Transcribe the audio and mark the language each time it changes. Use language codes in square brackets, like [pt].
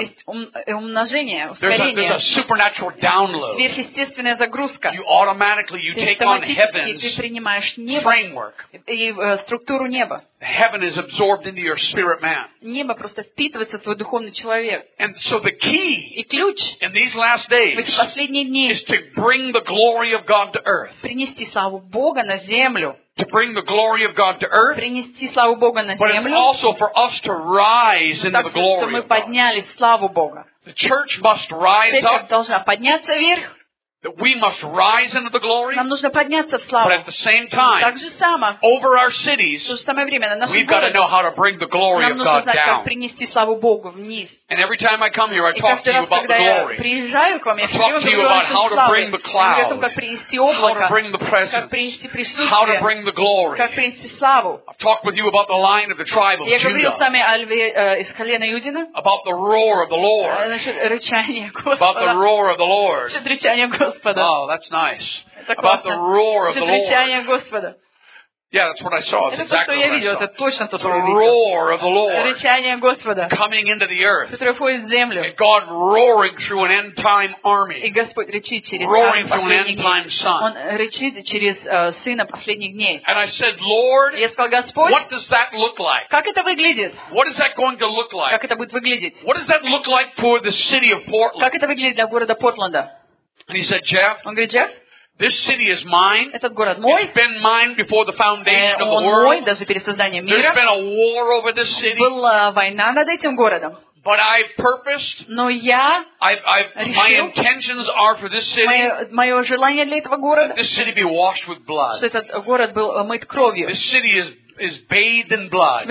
[ru] Есть умножение, ускорение. [en] There's a supernatural download. [ru] Сверхъестественная загрузка. [en] You automatically you take on heaven's framework. [ru] И структуру неба. [en] Heaven is absorbed into your spirit man. [ru] Небо просто впитывается в твой духовный человек. [en] And so the key [ru] и ключ [en] in these last days [ru] в эти последние дни [en] is to bring the glory of God to earth. [ru] Принести славу Бога на землю. [en] To bring the glory of God to earth. [ru] Принести славу Бога на землю. [en] But it's also for us to rise into the glory. [ru] Чтобы мы подняли славу Бога. [en] The church must rise up. [ru] Церковь должна подняться вверх. [en] That we must rise into the glory. [ru] Нам нужно подняться в славу. [en] But at the same time, [ru] так же само, [en] over our cities, [ru] в то же самое время, на нашем [en] we've got to know how to bring the glory of God down. [ru] Нам нужно знать, как принести славу Богу вниз. [en] And every time I come here, I talk to you about the glory. [ru] И каждый раз, когда я приезжаю к вам, я [en] talk to you about how to bring the cloud. [ru] Я как принести облако. [en] How to bring the presence. [ru] Как принести присутствие. [en] How to bring the glory. [ru] Как принести славу. [en] I've talked with you about the line of the tribe of Judah. [ru] Я говорил с вами о льве из колена Иудина. [en] About the roar of the Lord. [ru] Насчет рычания Господа. [en] About the roar of the Lord. [ru] Насчет рычания Господа. [en] Oh, that's nice. About the roar of the Lord. Yeah, that's what I saw. It's exactly what I saw. [ru] Это точно то, что я видел. [en] The roar of the Lord. [ru] Рычание Господа. [en] Coming into the earth. [ru] Которое входит в землю. [en] And God roaring through an end time army. [ru] И Господь рычит через [en] roaring through an end time sun. [ru] Он рычит через сына последних дней. [en] And I said, Lord, [ru] я сказал, Господь, [en] what does that look like? [ru] Как это выглядит? [en] What is that going to look like? [ru] Как это будет выглядеть? [en] What does that look like for the city of Portland? [ru] Как это выглядит для города Портленда? [en] And he said, Jeff, [ru] он говорит, Джефф, [en] this city is mine. [ru] Этот город мой. [en] It's been mine before the foundation of the world. [ru] Он мой, даже перед созданием мира. [en] There's been a war over this city. [ru] Была война над этим городом. [en] But I purposed. [ru] Но я решил. [en] My intentions are for this city. [ru] Мое желание для этого города. [en] That this city be washed with blood. [ru] Чтобы этот город был омыт кровью. [en] This city is bathed in blood.